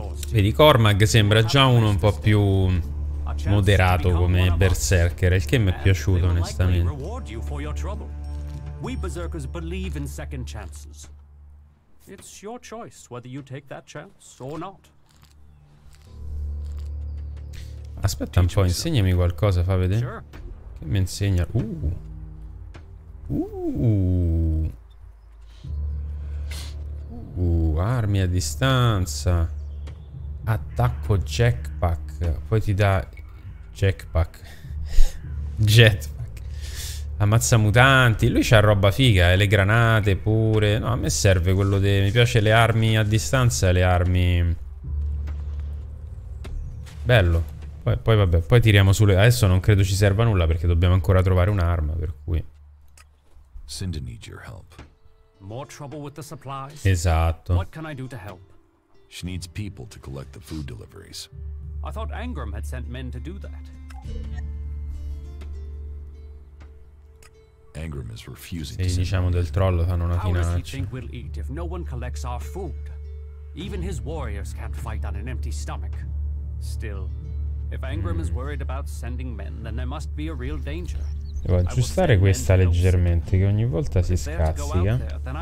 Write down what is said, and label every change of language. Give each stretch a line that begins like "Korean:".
Italian: Vedi, Cormag sembra già uno un po' più moderato come Berserker, il che mi è piaciuto onestamente.
English: We berserkers believe in second chances. It's your choice whether you take that chance or not.
Italian: Aspetta un po', insegnami qualcosa, fa vedere. Sure. Che mi insegna? Armi a distanza. Attacco jackpack. Poi ti dà jackpack. Jetpack. Ammazza mutanti. Lui c'ha roba figa, le granate pure. No, a me serve quello de... Mi piace le armi a distanza e le armi... Bello. Poi vabbè, poi tiriamo sulle... Adesso non credo ci serva nulla perché dobbiamo ancora trovare un'arma, per cui...
English: Cindy needs your help. More trouble with the supplies? Esatto. What can I do to help? She needs people to collect the food deliveries. I thought Angram had sent men to do that. Angram is refusing to.
Italian: Se diciamo del trollo fanno una finaccia.
English: How does he think we'll eat if no one collects our food? Even his warriors can't fight on an empty stomach. Still, if Angram is worried about sending men, then there must be a real danger.
Italian: Devo aggiustare questa leggermente, che ogni volta si scazzica.